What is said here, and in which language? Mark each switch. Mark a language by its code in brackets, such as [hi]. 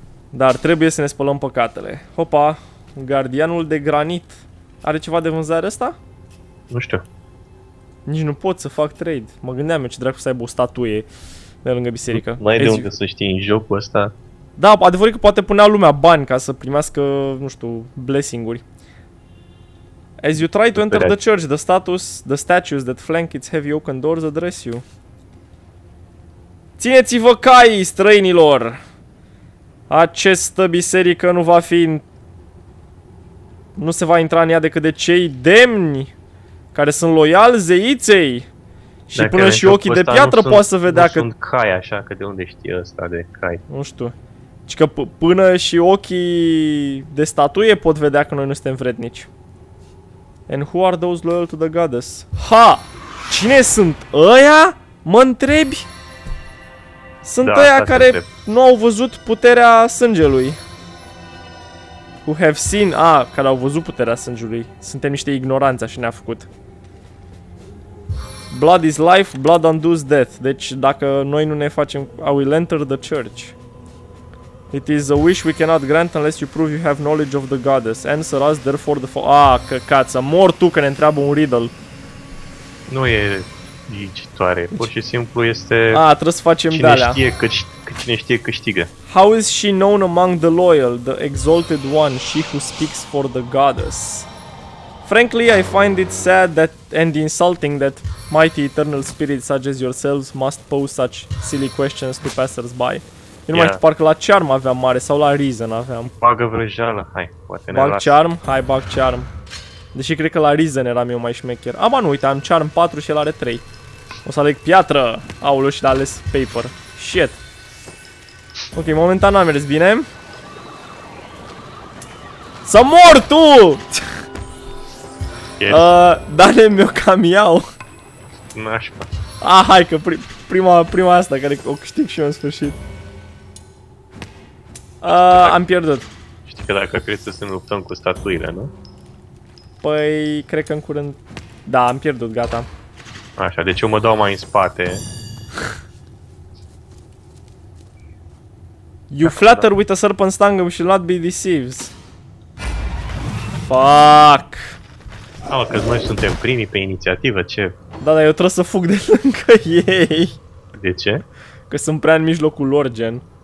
[ro] Dar trebuie să ne spălăm păcatele. Hopa, gardianul de granit. Are ceva de vânzare ăsta? Nu știu. Nici nu pot să fac trade. Mă gândeam eu ce dracu să aibă o statuie de lângă biserică. Mai de unde să știi în jocul ăsta? Da, adevărul că poate punea lumea bani ca să primească, nu știu, blessing-uri. [en] As you try to enter the church, the statues that flank its heavy oaken doors address you. [ro] Țineți-vă cai, străinilor! Această biserică nu va fi... Nu se va intra în ea decât de cei demni, care sunt loiali zeiței. Și dacă până și ochii de piatră poate să vedea că... Sunt cai așa, că de unde știe ăsta de cai? Nu știu. Și că până și ochii de statuie pot vedea că noi nu suntem vrednici. [en] And who are those loyal to the goddess? [ro] Ha! Cine sunt ăia? Mă întrebi? Sunt ăia care nu au văzut puterea sângelui. [en] Who have seen... [ro] care au văzut puterea sângelui. Suntem niște ignoranți, așa ne-a făcut. [en] Blood is life, blood undoes death. [ro] Deci dacă noi nu ne facem... [en] I will enter the church. It is a wish we cannot grant unless you prove you have knowledge of the goddess. Answer us, therefore the fo- [ro] căcață, mor tu că ne întreabă un riddle. Nu e ghicitoare, pur și simplu este... Trebuie să facem cine de-alea. Cine știe câștigă. [en] How is she known among the loyal, the exalted one, she who speaks for the goddess? Frankly, I find it sad that and insulting that mighty eternal spirits such as yourselves must pose such silly questions to passers-by. [ro] Eu nu mai știu, parcă la Charm aveam mare sau la Reason aveam. Bagă vrăjeală, hai, poate ne bag las. Charm? Hai, bag Charm. Deși cred că la Reason eram eu mai șmecher. Nu uite, am Charm 4 și el are 3. O să aleg piatră. Aoleu, și l-a ales paper. [en] Shit. [ro] Ok, momentan n-a mers bine. Să mor tu! [en] Yes. [ro] Dane mi-o cam iau. Nașpa. Hai că prima asta care o câștig și eu în sfârșit. Am pierdut. Știi că dacă crezi să ne luptăm cu statuile, nu? Păi, cred că în curând... Da, am pierdut, gata. Așa, deci eu mă dau mai în spate. [en] You flatter with a serpent's tongue, we should not be deceived. Fuck. [ro] Că noi suntem primii pe inițiativă, ce? Da, eu trebuie să fug de lângă ei. De ce? Că sunt prea în mijlocul lor, gen.